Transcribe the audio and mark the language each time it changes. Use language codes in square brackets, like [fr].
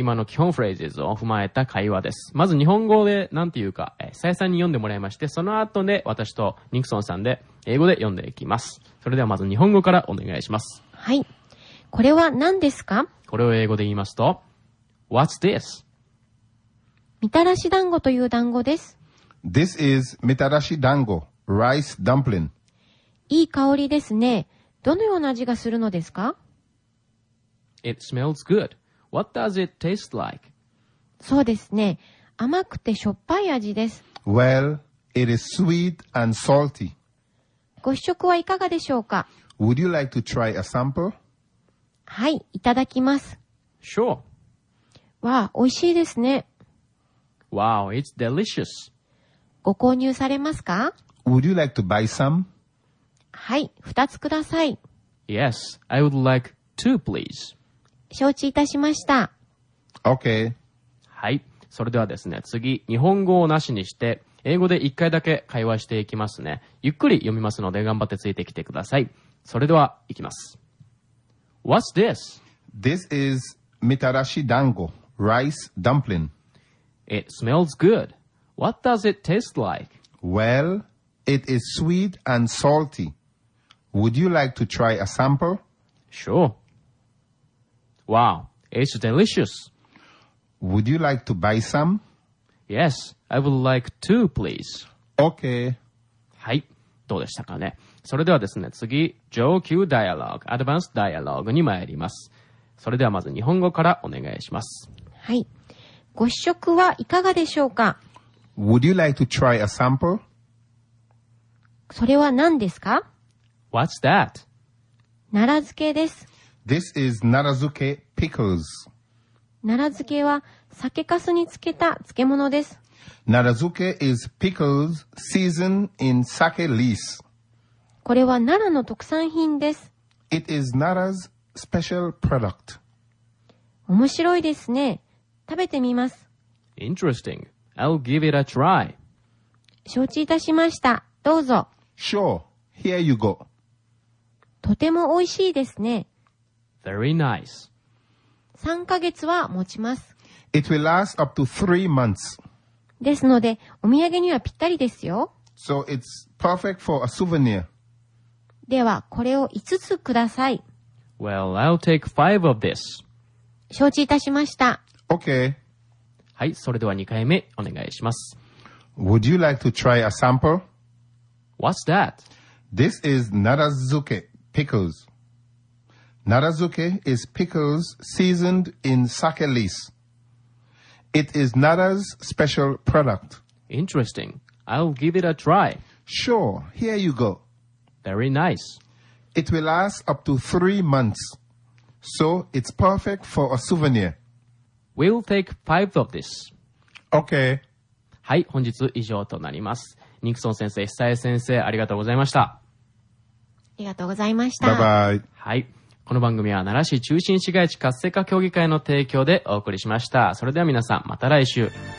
[ja] 今の基本フレーズを踏まえた会話です。まず日本語でなんていうか、さやさんに読んでもらいまして、その後で私とニクソンさんで英語で読んでいきます。それではまず日本語からお願いします。はい、これは何ですか。これを英語で言いますと [en] What's this? [ja] みたらし団子という団子です。 [en] This is みたらし団子 Rice dumpling。 [ja] いい香りですね。どのような味がするのですか。 [en] It smells good. What does it taste like? [ja] そうですね、甘くてしょっぱい味です。 [en] Well, it is sweet and salty. [ja] ご試食はいかがでしょうか。 [en] Would you like to try a sample? [ja] はい、いただきます。 [en] Sure. [ja] わあ、美味しいですね。 [en] Wow, it's delicious. [ja] ご購入されますか? [en] Would you like to buy some? [ja] はい、二つください。 [en] Yes, I would like two, please. [ja] 承知いたしました。 [en] Okay. [ja] はい、それではですね、次、日本語をなしにして、英語で一回だけ会話していきますね。ゆっくり読みますので、頑張ってついてきてください。それでは、いきます。 [en] What's this? This is mitarashi dango, rice dumpling. It smells good. What does it taste like? Well, it is sweet and salty. Would you like to try a sample? Sure. Wow, it's delicious. Would you like to buy some? Yes, I would like two, please. Okay. [ja] はい、どうでしたかね。それではですね、次、上級ダイアローグ、アドバンスダイアローグに参ります。それではまず日本語からお願いします。はい。ご試食はいかがでしょうか? [en] Would you like to try a sample? [ja] それは何ですか? [en] What's that? [ja] 奈良漬けです。 [en] This is 奈良漬け pickles. [ja] 奈良漬けは酒粕に漬けた漬物です。 [en] 奈良漬け is pickles seasoned in sake lees. [ja] これは奈良の特産品です。 [en] It is Nara's special product. [ja] 面白いですね。食べてみます。 [en] Interesting. I'll give it a try. [ja] 承知いたしました。どうぞ。 [en] Sure. Here you go. [ja] とても美味しいですね。 [en] Very nice. [ja] 3ヶ月は持ちます。 [en] It will last up to 3 months. [ja] ですので、お土産にはぴったりですよ。 [en] So it's perfect for a souvenir. [ja] では、これを5つください。 [en] Well, I'll take 5 of this. [ja] 承知いたしました。 [en] Okay. [ja] はい、それでは2回目お願いします。 [en] Would you like to try a sample? What's that? This is 奈良漬け pickles. 奈良漬け is pickles seasoned in sake lees. It is 奈良's special product. Interesting. I'll give it a try. Sure. Here you go. Very nice. It will last up to 3 months. So it's perfect for a souvenir. We'll take 5 of this. Okay. [ja] はい、本日以上となります。ニクソン先生、久江先生、ありがとうございました。ありがとうございました。バイバイ。はい。この番組は奈良市中心市街地活性化協議会の提供でお送りしました。それでは皆さん、また来週。